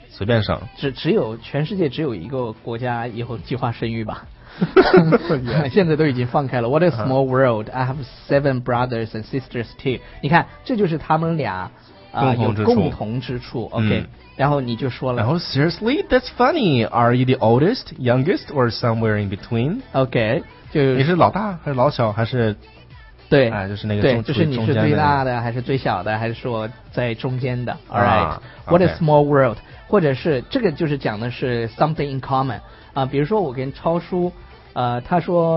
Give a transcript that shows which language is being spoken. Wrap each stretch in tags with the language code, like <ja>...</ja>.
<zh>随便生，只有全世界只有一个国家以后计划生育吧。现在都已经放开了。</zh> <en>What a small world! I have 7 brothers and sisters too。</en> <zh>你看，这就是他们俩啊、有共同之处。</zh> <en>OK，、嗯、</en> <zh>然后你就说了。然后</zh> <en>Seriously, that's funny. Are you the oldest, youngest, or somewhere in between? OK。 就</en> <zh>你是老大还是老小还是对、哎、就是那个对就是你是最大的还是最小的还是说在中间的</zh> <en>alright、 okay. what a small world</en> <zh>或者是这个就是讲的是</zh> <en>something in common</en> <zh>啊、比如说我跟超叔他说</zh>